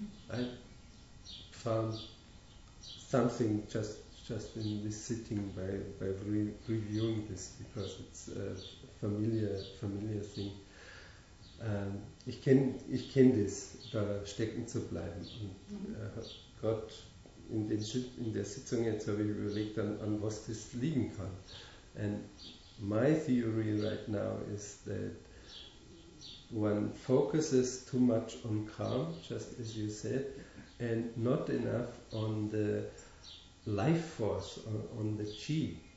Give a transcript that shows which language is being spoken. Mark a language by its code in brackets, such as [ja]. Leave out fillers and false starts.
[en] I found something just in this sitting by reviewing this, because it's a familiar thing. [de] Ich kenne das, da stecken zu bleiben. Und Gott, in der Sitzung jetzt habe ich überlegt, an was das liegen kann. [en] And my theory right now is that one focuses too much on calm, just as you said, and not enough on the life force, on the chi.